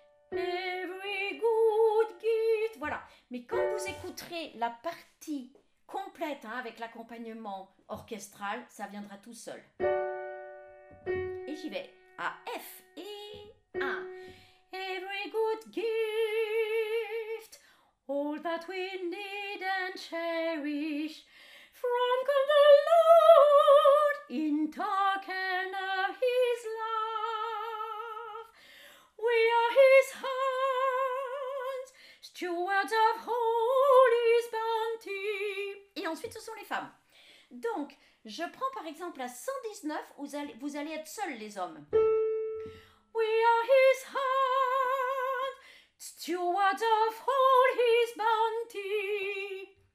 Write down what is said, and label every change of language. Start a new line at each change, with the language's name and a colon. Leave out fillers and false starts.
English: Every good gift.
French: Voilà. Mais quand vous écouterez la partie complète, hein, avec l'accompagnement orchestral, ça viendra tout seul. Et j'y vais. À F et 1.
English: Every good gift, all that we need and cherish, from God the Lord, in token of His love. We are His hands, stewards of holy bounty.
French: Et ensuite, ce sont les femmes. Donc, je prends par exemple la 119, vous allez être seuls les hommes.
English: We are His hands, stewards of holy bounty.